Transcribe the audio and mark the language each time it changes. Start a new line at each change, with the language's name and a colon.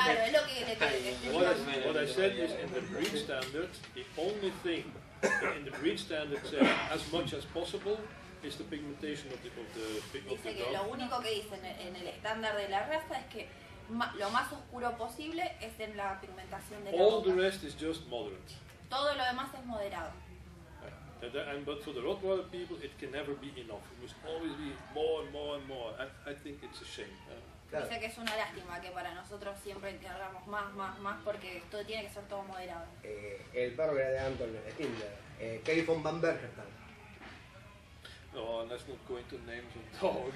English: what I said is in the breed standard, the only thing that in the breed standard says as much as possible is the pigmentation of the dog.
Spanish: Dice que lo único que dice en el estándar de la raza es que lo más oscuro posible es en la pigmentación de la boca.
English: All the rest is just moderate.
Spanish: Todo lo demás es moderado.
English: But for the Rottweiler people, it can never be enough. It must always be more and more and more. I think it's a shame.
Spanish: Dice que es una lástima que para nosotros siempre querramos más, porque todo tiene que ser todo moderado. El perro que era de Anton, de Tinder, Kay von Vandercasteele.
English: No, let's not go into names of dogs.